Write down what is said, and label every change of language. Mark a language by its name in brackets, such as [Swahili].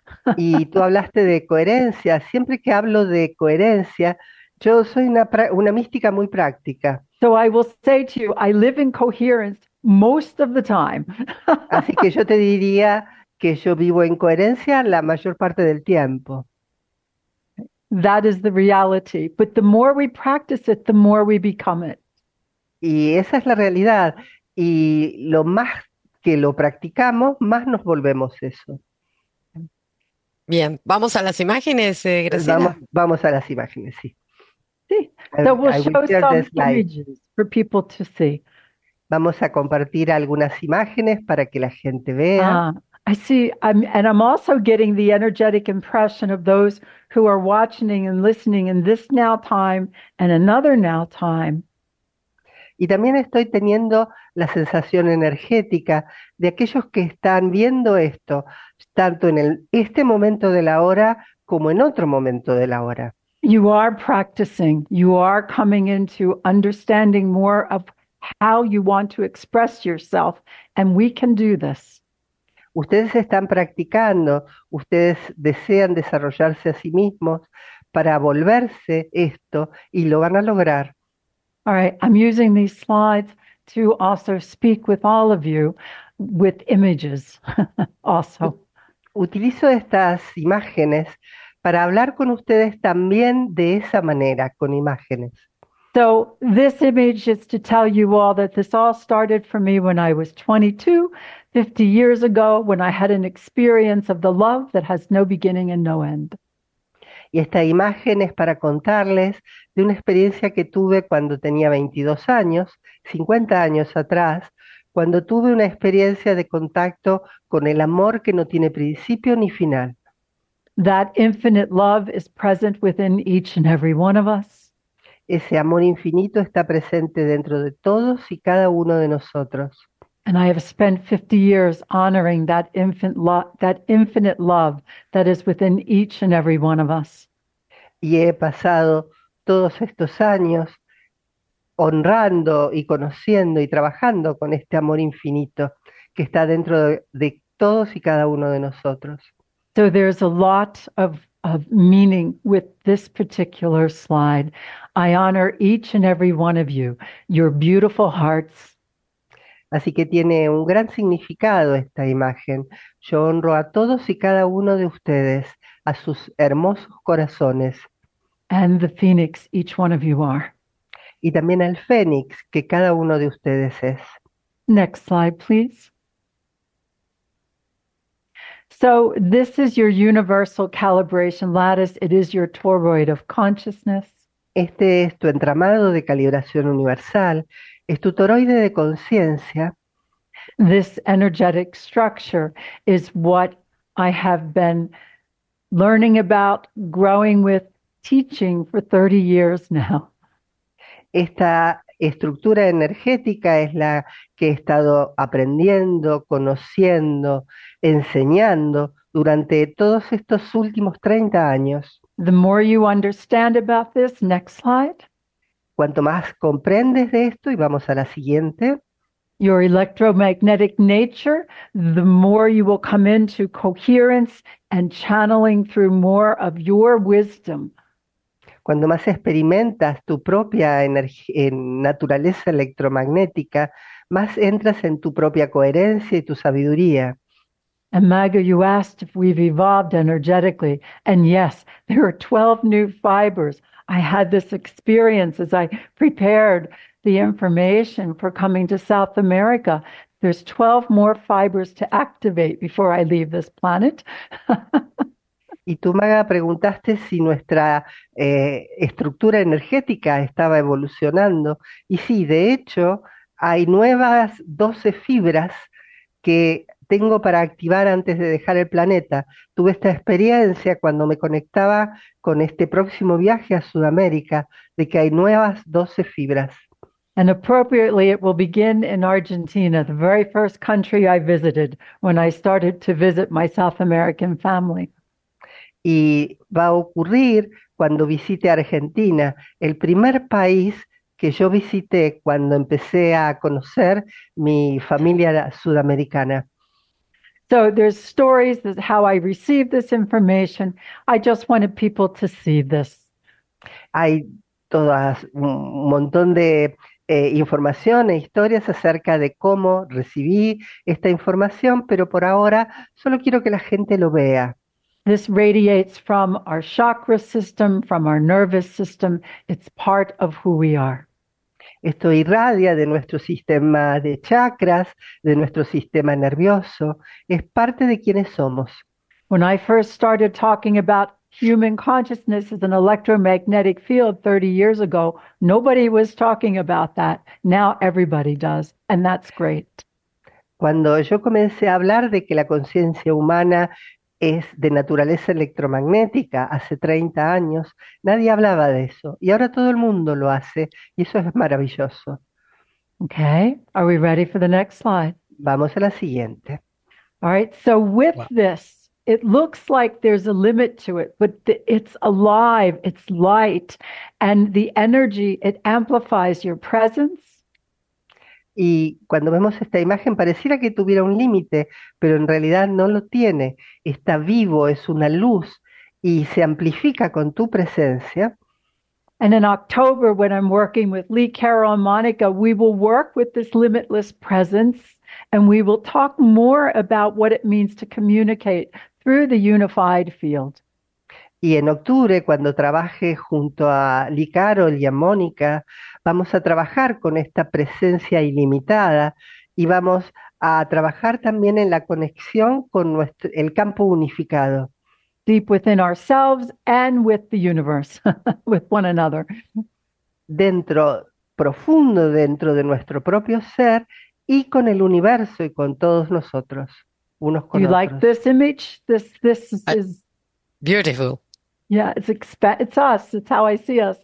[Spanish] Y tú hablaste de coherencia. Siempre que hablo de coherencia, yo soy una mística muy práctica. [English] So I will say to you, I live in coherence most of the time. [Spanish] Así que yo te diría que yo vivo en coherencia la mayor parte del tiempo. [English] That is the reality. But the more we practice it, the more we become it. [Spanish] Y esa es la realidad. Y lo más que lo practicamos, más nos volvemos eso. Bien, vamos a las imágenes, Graciela. Vamos a las imágenes, sí. [English] Sí, so we'll show some images for people to see. [Spanish] Vamos a compartir algunas imágenes para que la gente vea. [English] I see, and I'm also getting the energetic impression of those who are watching and listening in this now time and another now time. [Spanish] Y también estoy teniendo la sensación energética de aquellos que están viendo esto, tanto en este momento de la hora como en otro momento de la hora. [English] You are practicing. You are coming into understanding more of how you want to express yourself, and we can do this. [Spanish] Ustedes están practicando, ustedes desean desarrollarse a sí mismos para volverse esto, y lo van a lograr. [English] All right, I'm using these slides to also speak with all of you with images also. [Spanish] Utilizo estas imágenes para hablar con ustedes también de esa manera, con imágenes. [English] So this image is to tell you all that this all started for me when I was 22, 50 years ago, when I had an experience of the love that has no beginning and no end. [Spanish] Y esta imagen es para contarles de una experiencia que tuve cuando tenía 22 años, 50 años atrás, cuando tuve una experiencia de contacto con el amor que no tiene principio ni final. [English] That infinite love is present within each and every one of us. [Spanish] Ese amor infinito está presente dentro de todos y cada uno de nosotros. [English] And I have spent 50 years honoring that infinite love that is within each and every one of us. [Spanish] Y he pasado todos estos años honrando y conociendo y trabajando con este amor infinito que está dentro de todos y cada uno de nosotros. [English] So there's a lot of meaning with this particular slide. I honor each and every one of you, your beautiful hearts. [Spanish] Así que tiene un gran significado esta imagen. Yo honro a todos y cada uno de ustedes, a sus hermosos corazones. [English] And the phoenix, each one of you are. [Spanish] Y también al fénix, que cada uno de ustedes es. [English] Next slide, please. So this is your universal calibration lattice. It is your toroid of consciousness. [Spanish] Este es tu entramado de calibración universal. Es tu toroide de conciencia. [English] This energetic structure is what I have been learning about, growing with, teaching for 30 years now. [Spanish] Esta estructura energética es la que he estado aprendiendo, conociendo, enseñando durante todos estos últimos 30 años. [English] The more you understand about this, next slide. [Spanish] Cuanto más comprendes de esto, y vamos a la siguiente. [English] Your electromagnetic nature, the more you will come into coherence and channeling through more of your wisdom. [Spanish] Cuando más experimentas tu propia naturaleza electromagnética, más entras en tu propia coherencia y tu sabiduría. [English] And Maga, you asked if we've evolved energetically. And yes, there are 12 new fibers. I had this experience as I prepared the information for coming to South America. There's 12 more fibers to activate before I leave this planet. [Spanish] Y tú, Maga, preguntaste si nuestra estructura energética estaba evolucionando. Y sí, de hecho, hay nuevas 12 fibras que tengo para activar antes de dejar el planeta. Tuve esta experiencia cuando me conectaba con este próximo viaje a Sudamérica, de que hay nuevas 12 fibras. [English] And appropriately, it will begin in Argentina, the very first country I visited when I started to visit my South American family. [Spanish] Y va a ocurrir cuando visite Argentina, el primer país que yo visité cuando empecé a conocer mi familia sudamericana. [English] So there's stories of how I received this information. I just wanted people to see this. [Spanish] Hay todas un montón de información e historias acerca de cómo recibí esta información, pero por ahora solo quiero que la gente lo vea. [English] This radiates from our chakra system, from our nervous system. It's part of who we are. [Spanish] Esto irradia de nuestro sistema de chakras, de nuestro sistema nervioso. Es parte de quienes somos. [English] When I first started talking about human consciousness as an electromagnetic field 30 years ago, nobody was talking about that. Now everybody does, and that's great. [Spanish] Cuando yo comencé a hablar de que la conciencia humana es de naturaleza electromagnética, hace 30 años, nadie hablaba de eso. Y ahora todo el mundo lo hace, y eso es maravilloso. [English] Okay, are we ready for the next slide? [Spanish] Vamos a la siguiente. [English] All right, so with this, it looks like there's a limit to it, but it's alive, it's light, and the energy, it amplifies your presence. [Spanish] Y cuando vemos esta imagen, pareciera que tuviera un límite, pero en realidad no lo tiene. Está vivo, es una luz, y se amplifica con tu presencia. [English] And in October, when I'm working with Lee Carroll and Monica, we will work with this limitless presence, and we will talk more about what it means to communicate through the unified field. [Spanish] Y en octubre, cuando trabaje junto a Lee Carroll y a Mónica, vamos a trabajar con esta presencia ilimitada y vamos a trabajar también en la conexión con nuestro, el campo unificado. [English] Deep within ourselves and with the universe, with one another. [Spanish] Dentro, profundo dentro de nuestro propio ser y con el universo y con todos nosotros, unos [English] Do [Spanish] con [English] you like [Spanish] otros. [English] this image? This is, Beautiful. yeah, it's us, it's how I see us.